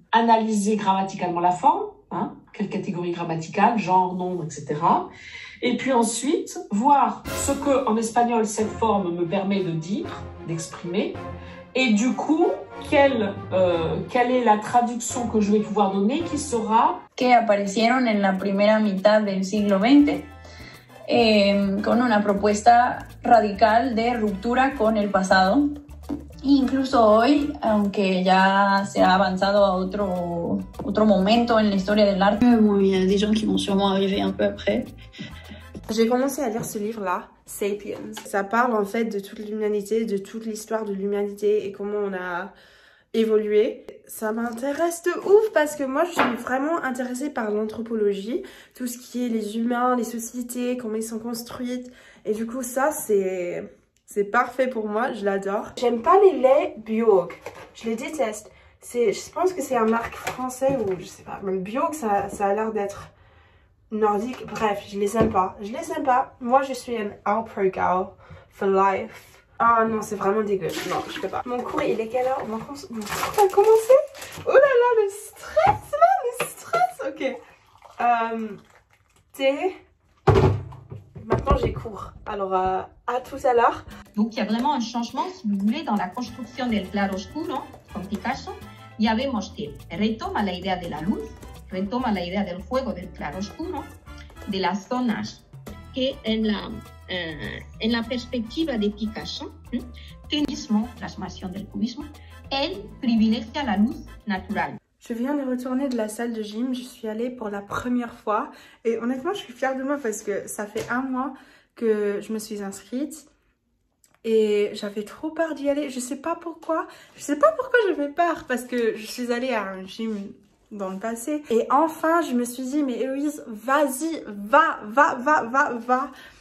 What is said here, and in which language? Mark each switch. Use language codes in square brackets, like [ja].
[fr] Analyser grammaticalement la forme, hein, quelle catégorie grammaticale, genre, nombre, etc. Et puis ensuite, voir ce que, en espagnol, cette forme me permet de dire, d'exprimer, et du coup, quelle est la traduction que je vais pouvoir donner qui sera. [es] Que aparecieron en la primera mitad del siglo XX. Con una propuesta radical de ruptura con el pasado. Incluso hoy, aunque ya se ha avanzado a otro momento en la historia del arte. [fr] Bon, il y a des gens qui vont sûrement arriver un peu après. J'ai commencé à lire ce livre-là, Sapiens. Ça parle en fait de toute l'humanité, de toute l'histoire de l'humanité et comment on a évolué. Ça m'intéresse de ouf parce que moi je suis vraiment intéressée par l'anthropologie, tout ce qui est les humains, les sociétés, comment ils sont construites. Et du coup ça c'est parfait pour moi, je l'adore. J'aime pas les laits Bioc, je les déteste. Je pense que c'est un marque français ou je sais pas. Même Bioc ça a l'air d'être nordique. Bref, je les aime pas. Je les aime pas. Moi je suis une Alpro Gal for life. Ah non, c'est vraiment dégueu. Non, je peux pas. Mon cours, il est quelle heure? Mon cours a commencé? Oh là là, le stress là, le stress! Ok. Maintenant, j'ai cours. Alors, à tout à l'heure. Donc, il y a vraiment un changement, si vous voulez, dans la construction del claroscuro, comme Picasso. [es] Ya vemos que retoma la idea de la luz, retoma la idea del juego del claroscuro, de las zonas que en la. En la perspectiva de Picasso, cubismo, la expansión del cubismo, él privilegia la luz natural. [fr] Je viens de retourner de la salle de gym, je suis allée pour la première fois et honnêtement, je suis fière de moi parce que ça fait un mois que je me suis inscrite et j'avais trop peur d'y aller. Je sais pas pourquoi, je sais pas pourquoi j'avais peur parce que je suis allée à un gym dans le passé et enfin, je me suis dit, mais Héloïse, vas-y, va, va, va, va, va.